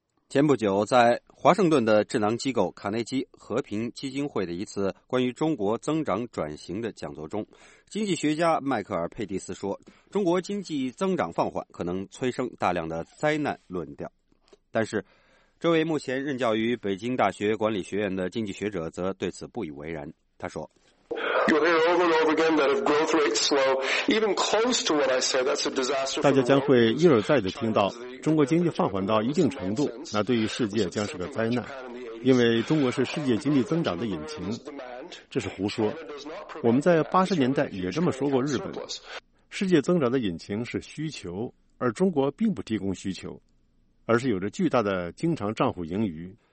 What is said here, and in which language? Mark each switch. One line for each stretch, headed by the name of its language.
Chinese: 前不久，在华盛顿的智囊机构卡内基和平基金会的一次关于中国增长转型的讲座中，经济学家迈克尔·佩蒂斯说，中国经济增长放缓可能催生大量的灾难论调。但是这位目前任教于北京大学管理学院的经济学者则对此不以为然。他说
English: You'll hear over and over again that if growth rates slow, even close to what I say, that's a disaster.
Chinese: 大家将会一而再地听到，中国经济放缓到一定程度，那对于世界将是个灾难，因为中国是世界经济增长的引擎。这是胡说。我们在80年代也这么说过，日本世界增长的引擎是需求，而中国并不提供需求，而是有着巨大的经常账户盈余。